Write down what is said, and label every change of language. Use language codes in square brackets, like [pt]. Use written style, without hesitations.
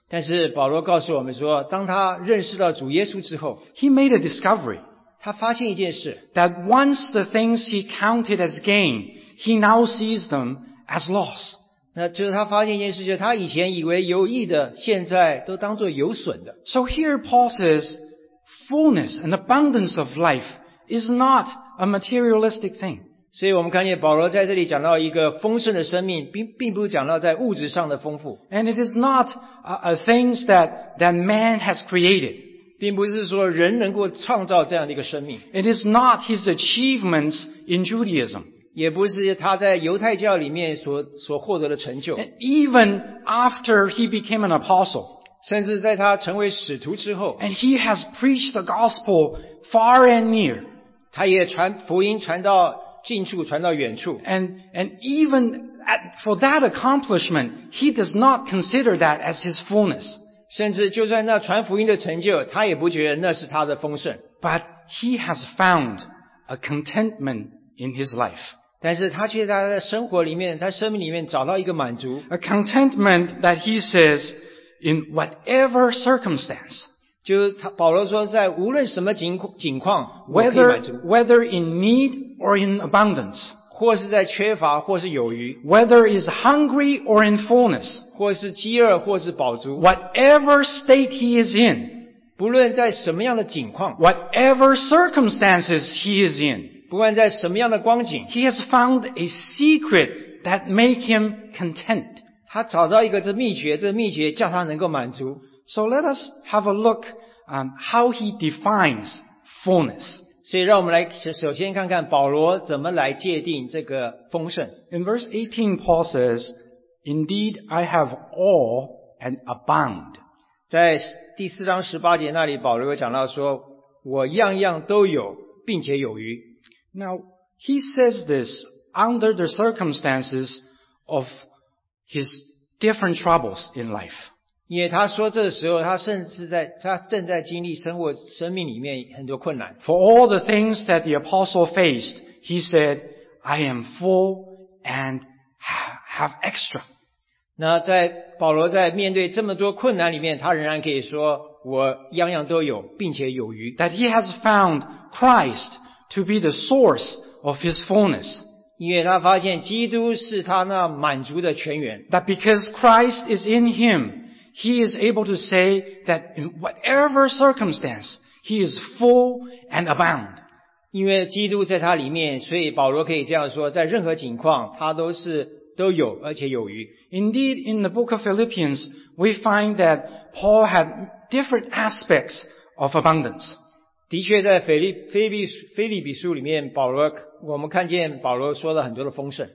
[zh] 但是保罗告诉我们说，当他认识到主耶稣之后 [en] ，He made a discovery. [zh] 他发现一件事 [en] ，That once the things he counted as gain. He now sees them as loss. [zh] 那就是他发现一件事，就是他以前以为有益的，现在都当作有损的。 [en] So here Paul says, fullness and abundance of life is not a materialistic thing. [zh] 所以我们看见保罗在这里讲到一个丰盛的生命，并不是讲到在物质上的丰富。 [en] And it is not a things that man has created. [zh] 并不是说人能够创造这样的一个生命。 [en] It is not his achievements in Judaism. [zh] 也不是他在犹太教里面所获得的成就。 [en] Even after he became an apostle, [zh] 甚至在他成为使徒之后 [en] ，and he has preached the gospel far and near, [zh] 他也传福音传到近处，传到远处。 [en] And even for that accomplishment, he does not consider that as his fullness. [zh] 甚至就算那传福音的成就，他也不觉得那是他的丰盛。 [en] But he has found a contentment. In his life. [zh] 但是他却在生活里面，在生命里面找到一个满足。 [en] A contentment that he says in whatever circumstance. [zh] 就他保罗说在无论什么境况 [en] whether in need or in abundance. [zh] 或是在缺乏或是有余。 [en] Whether is hungry or in fullness. [zh] 或是饥饿或是饱足。 [en] Whatever state he is in. [zh] 不论在什么样的境况。 [en] Whatever circumstances he is in. [zh] 不管在什么样的光景 [en] ，He has found a secret that make him content. [zh] 他找到一个这秘诀叫他能够满足。 [en] So let us have a look how he defines fullness. [zh] 所以让我们来首先看看保罗怎么来界定这个丰盛。 [en] In verse 18, Paul says, "Indeed, I have all and abound." [zh] 在第四章十八节那里，保罗又讲到说，我样样都有，并且有余。 [en] Now, he says this under the circumstances of his different troubles in life. [zh] 因为他说这时候他正在经历生命里面很多困难。 [en] For all the things that the apostle faced, he said, I am full and have extra. [zh] 那在保罗在面对这么多困难里面，他仍然可以说我样样都有，并且有余。 [en] That he has found Christ to be the source of his fullness. [zh] 因为他发现基督是他那满足的泉源。 [en] That because Christ is in him, he is able to say that in whatever circumstance, he is full and abound. [zh] 因为基督在他里面，所以保罗可以这样说，在任何境况他都有，而且有余。 [en] Indeed, in the book of Philippians, we find that Paul had different aspects of abundance. [zh] 的确在腓立比书里面我们看见保罗说了很多的丰盛。